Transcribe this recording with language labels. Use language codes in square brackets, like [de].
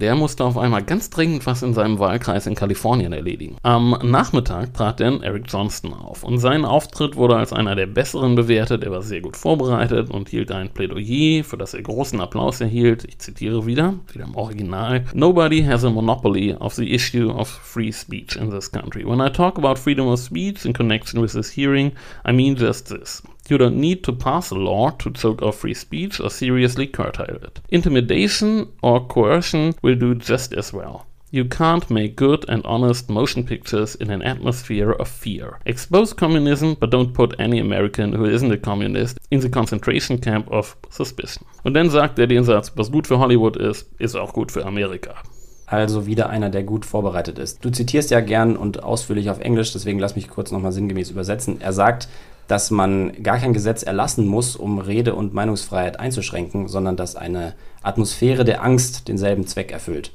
[de] Der musste auf einmal ganz dringend was in seinem Wahlkreis in Kalifornien erledigen. Am Nachmittag trat dann Eric Johnston auf und sein Auftritt wurde als einer der besseren bewertet. Er war sehr gut vorbereitet und hielt ein Plädoyer, für das er großen Applaus erhielt. Ich zitiere wieder im Original. [en] Nobody has a monopoly of the issue of free speech in this country. When I talk about freedom of speech in connection with this hearing, I mean just this. You don't need to pass a law to choke off free speech or seriously curtail it. Intimidation or coercion will do just as well. You can't make good and honest motion pictures in an atmosphere of fear. Expose communism, but don't put any American who isn't a communist in the concentration camp of suspicion. [de] Und dann sagt er den Satz, was gut für Hollywood ist, ist auch gut für Amerika. Also wieder einer, der gut vorbereitet ist. Du zitierst ja gern und ausführlich auf Englisch, deswegen lass mich kurz nochmal sinngemäß übersetzen. Er sagt, dass man gar kein Gesetz erlassen muss, um Rede- und Meinungsfreiheit einzuschränken, sondern dass eine Atmosphäre der Angst denselben Zweck erfüllt.